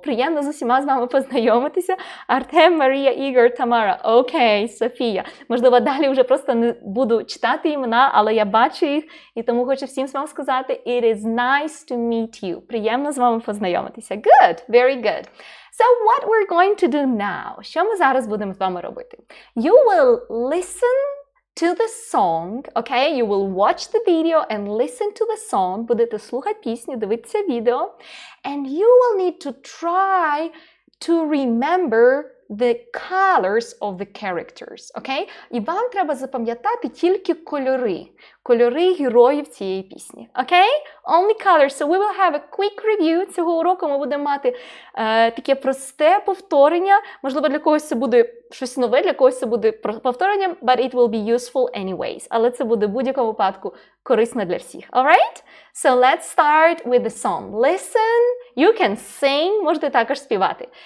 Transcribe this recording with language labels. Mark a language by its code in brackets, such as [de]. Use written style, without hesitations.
[uk] Приємно з усіма з вами познайомитися. Артем, Марія, Ігор, Тамара. Окей, Софія. Можливо, далі вже просто не буду читати імена, але я бачу їх, і тому хочу всім з вами сказати, [en] it is nice to meet you. [uk] Приємно з вами познайомитися. [en] Good, very good. So what we're going to do now? [uk] Що ми зараз будемо з вами робити? [en] You will listen to the song, okay? You will watch the video and listen to the song. [uk] Будете слухати пісню, дивитися відео. [en] And you will need to try to remember the colors of the characters, okay? [uk] І вам треба запам'ятати тільки кольори. Кольори героїв цієї пісні, okay? [en] Only colors. So we will have a quick review. [uk] Цього уроку ми будемо мати таке просте повторення. Можливо, для когось це буде щось нове, для когось це буде повторенням, [en] but it will be useful anyways. [uk] Але це буде в будь-якому випадку корисно для всіх. [en] Alright? So let's start with the song. Listen, you can sing, [uk] можете також співати.